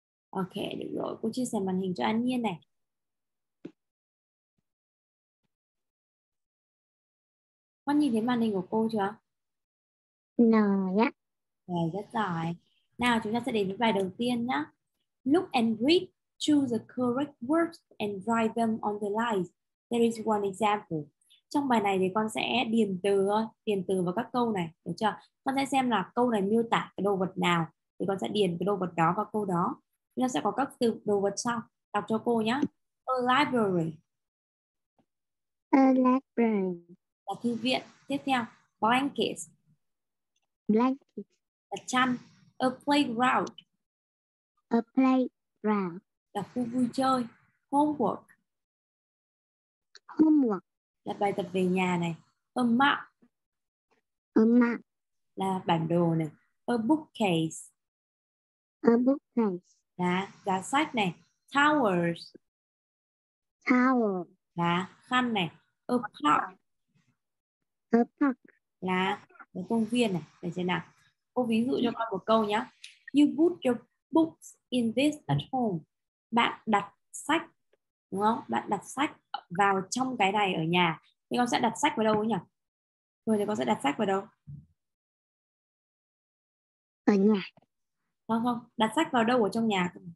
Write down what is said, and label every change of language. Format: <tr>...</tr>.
<vi>Ok, được rồi. Cô chia sẻ màn hình cho An Nhiên này. Con nhìn thấy màn hình của cô chưa? Rồi, rất giỏi. Nào, chúng ta sẽ đến với bài đầu tiên nhé.</vi> <en>Look and read. Choose the correct words and write them on the lines. There is one example.</en> <vi>Trong bài này thì con sẽ điền từ vào các câu này. Được chưa? Con sẽ xem là câu này miêu tả cái đồ vật nào. Thì con sẽ điền cái đồ vật đó vào câu đó. Nó sẽ có các từ đồ vật sau. Đọc cho cô nhé.</vi> <en>A library. A library.</en> <vi>Là thư viện. Tiếp theo. Blankets.</vi> <en>Blankets.</en> <vi>Là chăn.</vi> <en>A playground. A playground.</en> <vi>Là khu vui chơi. Homework.</vi> <en>Homework.</en> <vi>Là bài tập về nhà này.</vi> <en>A map. A map.</en> <vi>Là bản đồ này.</vi> <en>A bookcase. A bookcase.</en> <vi>Là giá sách này. Towers.</vi> <en>Tower.</en> <vi>Là khăn này.</vi> <en>A park. A park.</en> <vi>Là một công viên này. Để xem nào. Cô ví dụ cho con một câu nhé.</vi> <en>You put your books in this at home.</en> <vi>Bạn đặt sách. Đúng không? Bạn đặt sách vào trong cái này ở nhà. Thì con sẽ đặt sách vào đâu ấy nhỉ? Rồi thì con sẽ đặt sách vào đâu? Ở nhà. Không, không. Đặt sách vào đâu ở trong nhà?</vi>